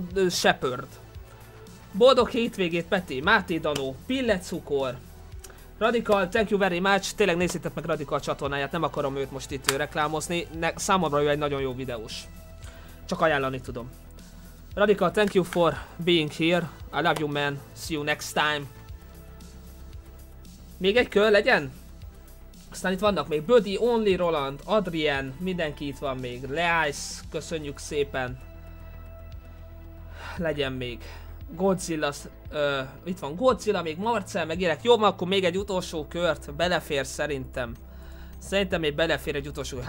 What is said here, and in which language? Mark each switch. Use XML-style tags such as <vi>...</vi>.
<hu>Shepherd. Boldog hétvégét, Peti, Máté Danó, Pillecukor.</hu> <en>Radical, thank you very much,</en> <hu>tényleg nézzétek meg Radical csatornáját, nem akarom őt most itt reklámozni, számomra ő egy nagyon jó videós. Csak ajánlani tudom.</hu> <en>Radical, thank you for being here, I love you man, see you next time.</en> <hu>Még egy kör legyen? Aztán itt vannak még Buddy, Only Roland, Adrien, mindenki itt van még, Leice, köszönjük szépen. Legyen még. Godzilla, itt van Godzilla, még Marcel, meg Irek. Jó, mert akkor még egy utolsó kört belefér szerintem. Szerintem még belefér egy utolsó kört.</hu>